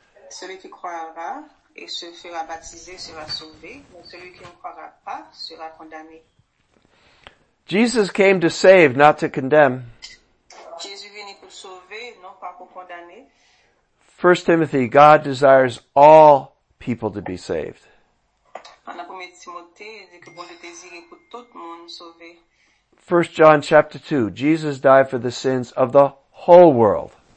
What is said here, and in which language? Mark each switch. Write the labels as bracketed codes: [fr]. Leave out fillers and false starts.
[fr] Celui qui croira et se fera baptiser sera sauvé, mais celui qui ne croira pas sera condamné. [en] Jesus came to save, not to condemn. [fr] Jésus vient pour sauver, non pas pour condamner. [en] 1 Timothy, God desires all people to be saved. [fr] En 1 Timothée, dit que bon Dieu désire pour tout le monde sauvé. [en] 1 John chapter 2, Jesus died for the sins of the whole world.